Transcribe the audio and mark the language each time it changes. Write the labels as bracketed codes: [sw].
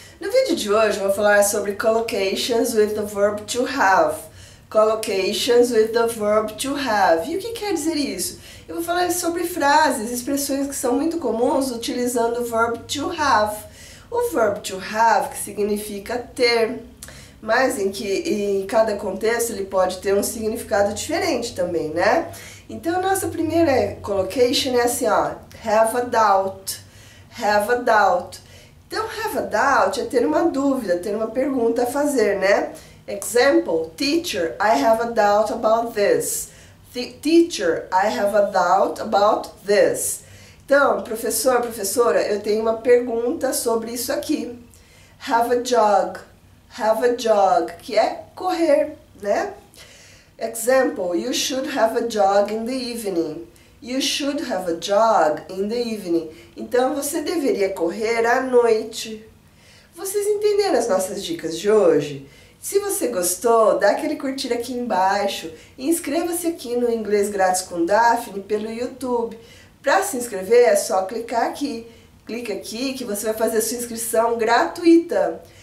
[pt] No vídeo de hoje eu vou falar sobre [en] collocations with the verb to have. Collocations with the verb to have. [pt] E o que quer dizer isso? Eu vou falar sobre frases, expressões que são muito comuns utilizando o verb to have. O verb to have, que significa ter, mas em cada contexto ele pode ter um significado diferente também, né? Então, a nossa primeira collocation é assim, ó, [en] have a doubt, have a doubt. [pt] Então, [en] have a doubt [pt] é ter uma dúvida, ter uma pergunta a fazer, né? [en] Example, teacher, I have a doubt about this. Teacher, I have a doubt about this. [pt] Então, professor, professora, eu tenho uma pergunta sobre isso aqui. [en] Have a jog, [pt] que é correr, né? [en] Example, you should have a jog in the evening. You should have a jog in the evening. [pt] Então, você deveria correr à noite. Vocês entenderam as nossas dicas de hoje? Se você gostou, dá aquele curtir aqui embaixo e inscreva-se aqui no Inglês Grátis com Daphne pelo YouTube. Para se inscrever, é só clicar aqui. Clica aqui que você vai fazer a sua inscrição gratuita.